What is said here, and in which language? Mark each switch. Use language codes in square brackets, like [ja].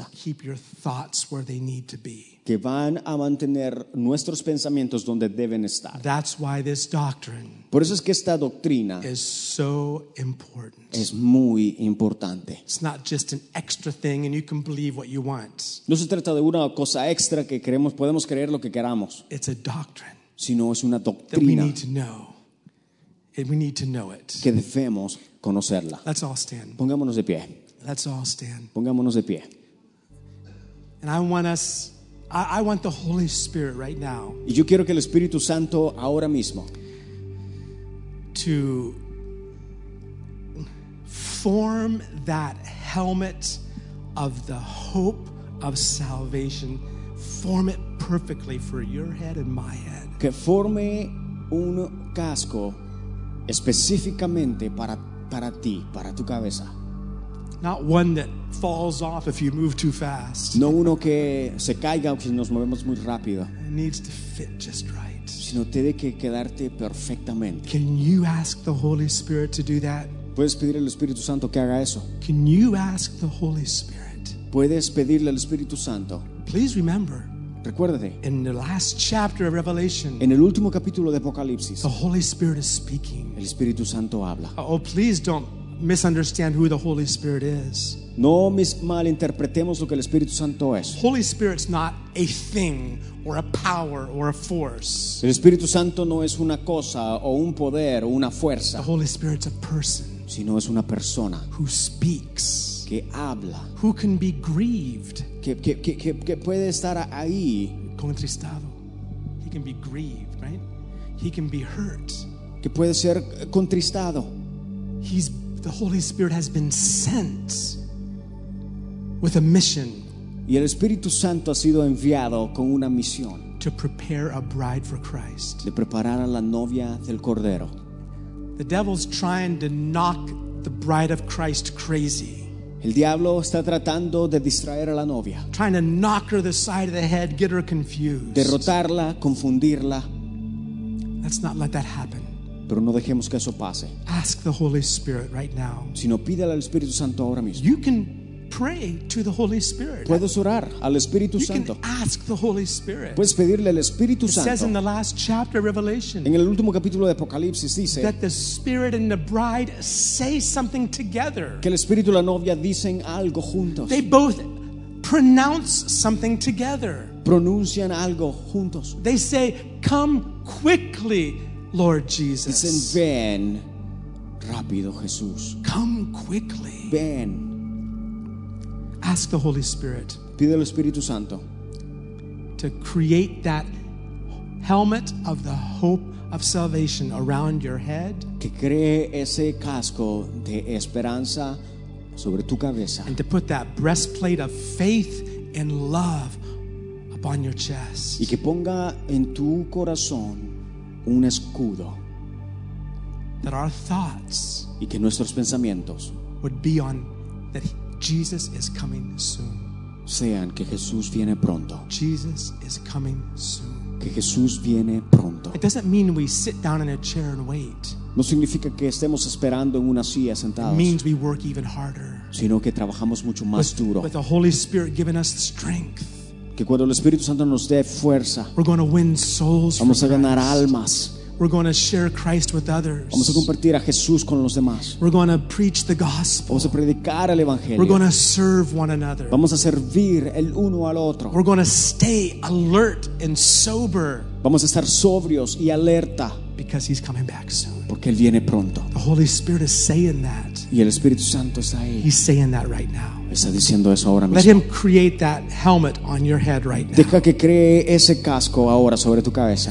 [en] It'll keep your thoughts where they need to be. [es] Que van a mantener nuestros pensamientos donde deben estar. [en] That's why this doctrine, [es] por eso es que esta doctrina, [en] is so important. [es] Es muy importante. [en] It's not just an extra thing and you can believe what you want. [es] No se trata de una cosa extra que queremos, podemos creer lo que queramos. [en] It's a doctrine. [es] Sino es una doctrina. [en] That we need to know. And we need to know it. [es] Que debemos conocerla. [en] Let's all stand. [es] Pongámonos de pie. [en] Let's all stand. [es] Pongámonos de pie. [en] And I want the Holy Spirit right now. [es] Y yo quiero que el Espíritu Santo ahora mismo [en] to form that helmet of the hope of salvation. Form it perfectly for your head and my head. [es] Que forme un casco específicamente para ti, para tu cabeza. [en] Not one that falls off if you move too fast. [es] No uno que se caiga si nos movemos muy rápido. [en] It needs to fit just right. [es] Sino tiene que quedarte perfectamente. [en] Can you ask the Holy Spirit to do that? [es] ¿Puedes pedirle al Espíritu Santo que haga eso? [en] Can you ask the Holy Spirit? [es] ¿Puedes pedirle al Espíritu Santo? [en] Please remember. [es] Recuérdate. [en] In the last chapter of Revelation. [es] En el último capítulo de Apocalipsis. [en] The Holy Spirit is speaking. [es] El Espíritu Santo habla. [en] Oh, please don't misunderstand who the Holy Spirit is. [es] No malinterpretemos lo que el Espíritu Santo es. [en] Holy Spirit's not a thing or a power or a force. [es] El Espíritu Santo no es una cosa o un poder o una fuerza. [en] The Holy Spirit's a person. [es] Sino es una persona. [en] Who speaks. [es] Que habla. [en] Who can be grieved. [es] Que puede estar ahí. Contristado. [en] He can be grieved, right? He can be hurt. [es] Que puede ser contristado. [en] The Holy Spirit has been sent with a mission. [es] Y el Espíritu Santo ha sido enviado con una misión. [en] To prepare a bride for Christ. [es] De preparar a la novia del Cordero. [en] The devil's trying to knock the bride of Christ crazy. [es] El diablo está tratando de distraer a la novia. [en] Trying to knock her the side of the head, get her confused. [es] Derrotarla, confundirla. [en] Let's not let that happen. [es] Pero no dejemos que eso pase. [en] Ask the Holy Spirit right now. [es] Sino pídele al Espíritu Santo ahora mismo. [en] You can pray to the Holy Spirit. [es] Puedes orar al Espíritu Santo. [en] You can ask the Holy Spirit. [es] Puedes pedirle al Espíritu Santo. [en] It says in the last chapter of Revelation. [es] En el último capítulo de Apocalipsis dice [en] that the Spirit and the Bride say something together. [es] Que el Espíritu y la novia dicen algo juntos. [en] They both pronounce something together. [es] Pronuncian algo juntos. [en] They say, "Come quickly, Lord Jesus." [es] Dicen, ven rápido, Jesús. [en] Come quickly. [es] Ven. [en] Ask the Holy Spirit. [es] Pide al Espíritu Santo. [en] To create that helmet of the hope of salvation around your head. [es] Que cree ese casco de esperanza sobre tu cabeza. [en] And to put that breastplate of faith and love upon your chest. [es] Y que ponga en tu corazón un escudo. [en] That our thoughts. [es] Y que nuestros pensamientos. [en] Would be on that Jesus is coming soon. [es] Sean que Jesús viene pronto. [en] Jesus is coming soon. [es] Que Jesús viene pronto. [en] It doesn't mean we sit down in a chair and wait. [es] No significa que estemos esperando en una silla sentados. [en] It means we work even harder. [es] Sino que trabajamos mucho más duro. [en] With the Holy Spirit giving us strength. [es] Que cuando el Espíritu Santo nos dé fuerza, [en] we're going to win souls [es] vamos [en] for [es] a ganar almas. [en] We're going to share Christ with others. [es] Vamos a compartir a Jesús con los demás. [en] We're going to preach the gospel. [es] Vamos a predicar el evangelio. [en] We're going to serve one another. [es] Vamos a servir el uno al otro. [en] We're going to stay alert and sober. [es] Vamos a estar sobrios y alerta. [en] Because he's coming back soon. [es] Porque él viene pronto. [en] The Holy Spirit is saying that. [es] Y el Espíritu Santo está ahí. [en] He's saying that right now. [es] Está diciendo eso ahora mismo. [en] Let him create that helmet on your head right now. [es] Deja que cree ese casco ahora sobre tu cabeza.